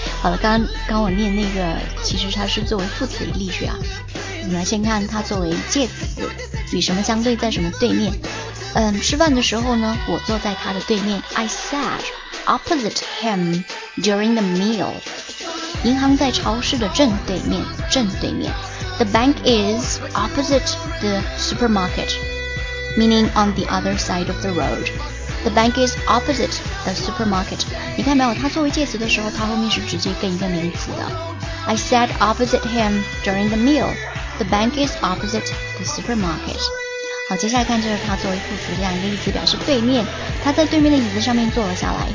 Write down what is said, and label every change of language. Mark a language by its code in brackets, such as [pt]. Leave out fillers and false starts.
[zh] 好了，刚我念那个，其实它是作为副词的例句啊。我们来先看它作为介词，与什么相对，在什么对面。吃饭的时候呢，我坐在他的对面。 [en] I sat opposite him during the meal. [zh] 银行在超市的正对面，正对面。 [en] The bank is opposite the supermarket, meaning on the other side of the road. The bank is opposite the supermarket. [zh] 你看没有，它作为介词的时候，它后面是直接跟一个名词的。 [en] I sat opposite him during the meal. The bank is opposite the supermarket. [zh] 好，接下来看就是它作为副词这样一个意思，表示对面。他在对面的椅子上面坐了下来。